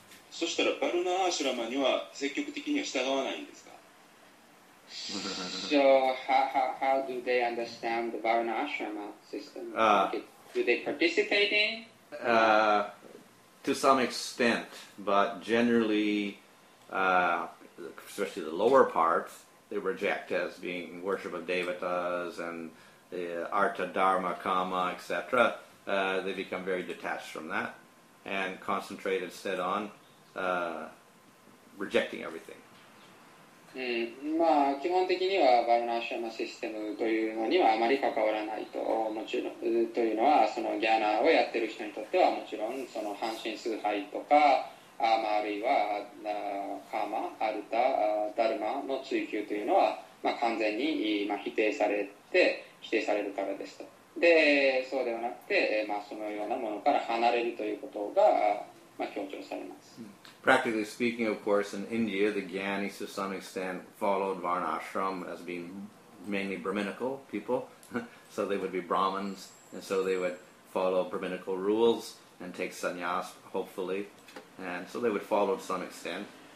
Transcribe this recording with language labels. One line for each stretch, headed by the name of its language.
Japanese: そしたらバルナアーシュラマには積極的には従わないんですか？
English: So, how do they understand the Varna Ashrama system? Do they participate in? To some extent, but generally, especially the lower parts, they reject as being worship of devatas and artha, dharma, kama, etc. They become very detached from that and concentrate instead on rejecting everything.
Japanese: まあ、基本的にはバルナーシュラマシステムというのにはあまり関わらないと、もちろんというのはそのギャーナーをやっている人にとってはもちろんその半身崇拝とか まあ、あるいはカーマ、アルタ、ダルマの追求というのは、まあ、完全に、まあ、否定されるからですと。で、そうではなくて、まあ、そのようなものから離れるということが、まあ、強調されます。
English: Practically speaking, of course, in India, the Gyanis to some extent followed Varnashram as being mainly Brahminical people. So they would be Brahmins, and so they would follow Brahminical rules and take sannyas, hopefully. And so they would follow to some extent.